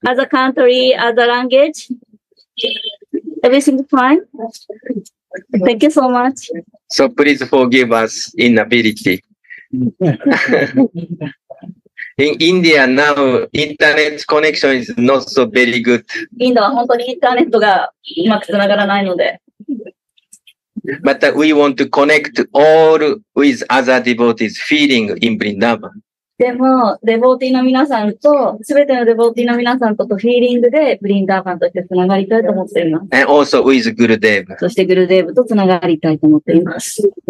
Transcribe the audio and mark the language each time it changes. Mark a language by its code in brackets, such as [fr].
[en] As a country, as a language? Everything fine? Thank you so much. So please forgive us inability. In India now, internet connection is not so very good. [ja] インドは本当にインターネットがうまくつながらないので。 [en] But we want to connect all with other devotees feeling in Vrindavan. [ja] でも、デボーティーの皆さんと、すべてのデボーティーの皆さんととフィーリングで、ブリンダーバンとしてつながりたいと思っています。 [en] And also with Gurudev. [ja] そしてグルデーブとつながりたいと思っています。